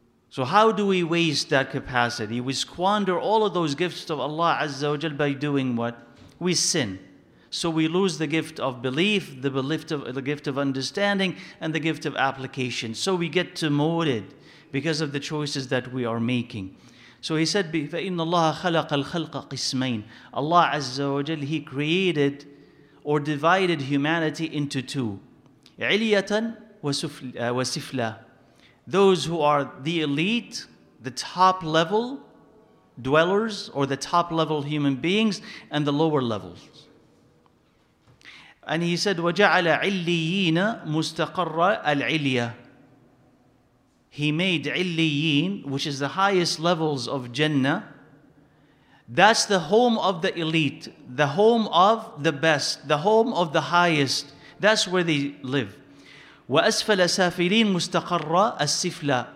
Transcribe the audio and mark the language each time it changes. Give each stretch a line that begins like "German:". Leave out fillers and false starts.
English: So how do we waste that capacity? We squander all of those gifts of Allah Azza wa Jal by doing what? We sin. So we lose the gift of belief, the gift of understanding, and the gift of application. So we get demoted because of the choices that we are making. So he said,
Arabic: فَإِنَّ اللَّهَ خَلَقَ الْخَلْقَ قِسْمَيْنَ.
English: Allah Azza wa Jal, he created or divided humanity into two.
Arabic: عِلِيَةً وَسِفْلَى.
English: Those who are the elite, the top level dwellers, or the top level human beings, and the lower levels. And he said,
Arabic: وَجَعَلَ عِلِّيِّينَ مُسْتَقَرَّ الْعِلِيَةِ.
English: He made عِلِّيِّين, which is the highest levels of Jannah, that's the home of the elite, the home of the best, the home of the highest. That's where they live.
Arabic: وَأَسْفَلَ سَافِلِينَ مُسْتَقَرَّ السِّفْلَى.